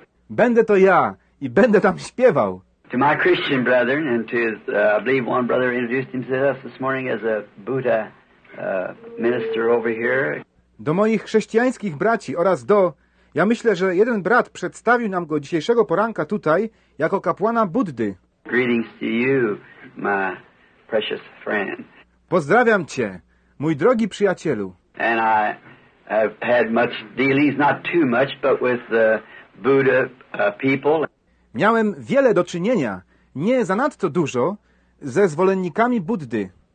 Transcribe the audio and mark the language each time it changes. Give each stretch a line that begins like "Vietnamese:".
Polish: Będę to ja i będę tam śpiewał.
English: To my Christian brethren, and to his, I believe one brother introduced himself this morning as a Buddha minister over here.
Polish: Do moich chrześcijańskich braci oraz do, ja myślę, że jeden brat przedstawił nam go dzisiejszego poranka tutaj jako kapłana Buddy.
English: Greetings to you, my precious friend.
Polish: Pozdrawiam cię, mój drogi przyjacielu.
English: And I have had much dealings, not too much, but with the Buddha people.
Polish: Miałem wiele do czynienia, nie zanadto dużo, ze zwolennikami Buddy.